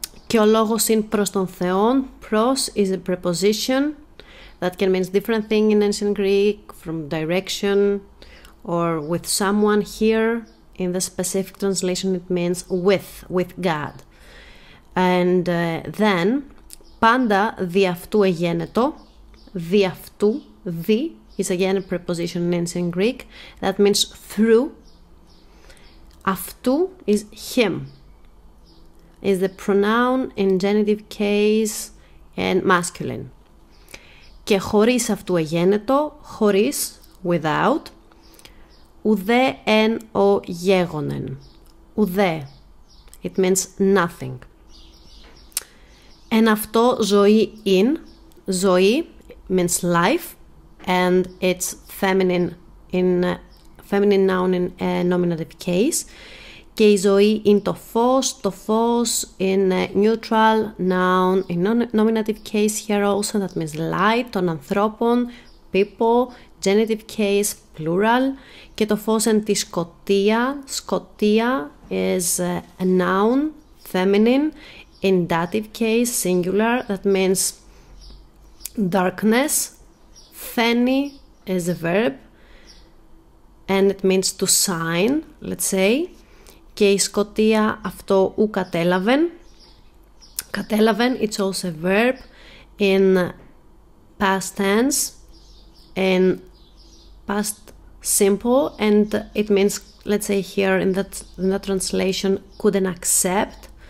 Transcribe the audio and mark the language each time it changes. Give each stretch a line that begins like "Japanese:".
Greek: Και ο λόγος είναι προς τον Θεόν.
English: Προς is a preposition that can mean different thing in ancient Greek, from direction or with someone. Here in the specific translation it means with God. And then,
Greek: πάντα δι' αυτού εγένετο,
English: δι' αυτού, δι' is again a preposition in ancient Greek that means through. Αυτού is him, is the pronoun in genitive case and masculine.
Greek: Και χωρίς αυτού εγένετο, χωρίς, without, ουδέ εν ο γέγονεν.
English: Ουδέ, it means nothing.
Greek: Εν αυτό ζωή ειν,
English: ζωή means life, and it's feminine in feminine noun in nominative case.
Greek: Και η ζωή είναι το φως
English: in neutral noun, in nominative case here also, that means light,
Greek: των ανθρώπων,
English: people, genitive case, plural,
Greek: και το φως εν τη σκοτία,
English: σκοτία is a noun, feminine, in dative case, singular, that means darkness, φαίνει is a verb, and it means to shine, let's say.
Greek: Και η σκοτία αυτό ου κατέλαβεν.
English: Κατέλαβεν, it's also a verb in past tense, in past simple, and it means, let's say here in that translation, couldn't accept.